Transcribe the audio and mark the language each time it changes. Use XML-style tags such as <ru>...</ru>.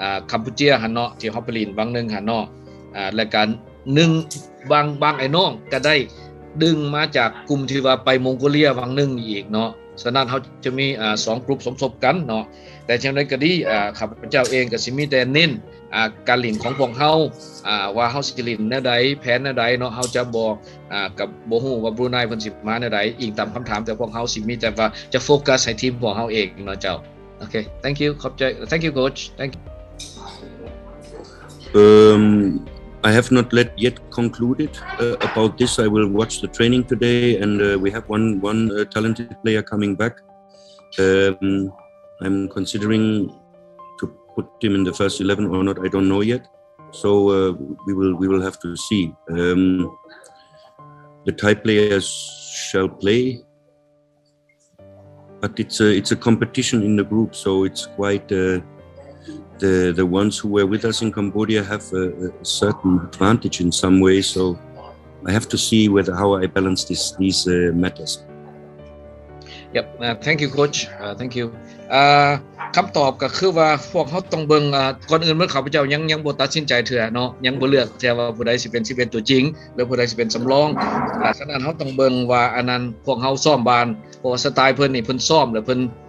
<tts>กัมพูชาหั่นเนาะที่ฮอปลินบางนึงหั่นเนาะและการ1บางไอ้น้องก็ได้ดึงมาจากกลุ่มที่ว่าไปมองโกเลียบางนึงอีกเนาะฉะนั้นเฮาจะมี2กลุ่มสมทบกันเนาะแต่ฉะนั้นก็ดีข้าพเจ้าเองก็สิมีแต่เน้นการหลินของพวกเฮาว่าเฮาสิหลินแนวใดแผนแนวใดเนาะเฮาจะบ่กับบ่ฮู้ว่าบรูไนเพิ่นสิมาแนวใดอิงตามคําถามแต่พวกเฮาสิมีแต่ว่าจะโฟกัสให้ทีมพวกเฮาเองเนาะเจ้าโอเค</tts> <en>thank you</en> <tts>ขอบใจ</tts> <en>thank you coach thank you I have not yet concluded about this. I will watch the training today, and we have one talented player coming back. I'm considering to put him in the first 11 or not. I don't know yet. So we will have to see. The Thai players shall play, but it's a competition in the group, so it's quite the ones who were with us in Cambodia have a certain advantage in some way. So I have to see how I balance these matters. Yep. Thank you, coach. Thank you.</en> <tts>คําตอบก็คือว่าพวกเฮาต้องเบิ่งก่อนอื่นมื้อข้าพเจ้ายังบ่ตัดสินใจเทื่อเนาะยังบ่เลือกแท้ว่าผู้ใดสิเป็น11ตัวจริงหรือผู้ใดสิเป็นสํารองฉะนั้นเฮาต้องเบิ่งว่าอันนั้นพวกเฮาซ้อมบ้านเพราะสไตล์เพิ่นนี่เพิ่นซ้อมแล้วเพิ่น</tts>